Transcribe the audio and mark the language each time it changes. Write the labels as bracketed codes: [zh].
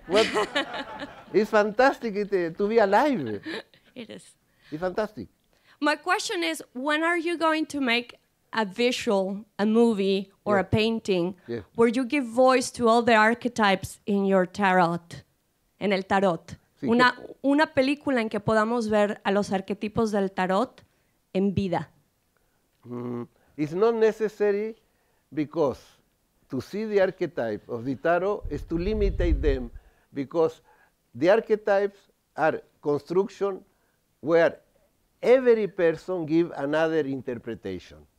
[en] What? It's fantastic to be alive. It is. It's fantastic. My question is, when are you going to make a visual, a movie, or a painting, where you give voice to all the archetypes in your tarot, [es] en el tarot. Sí, una película en que podamos ver a los arquetipos del tarot en vida. [en] It's not necessary because to see the archetype of the tarot is to limit them because the archetypes are construction where every person gives another interpretation.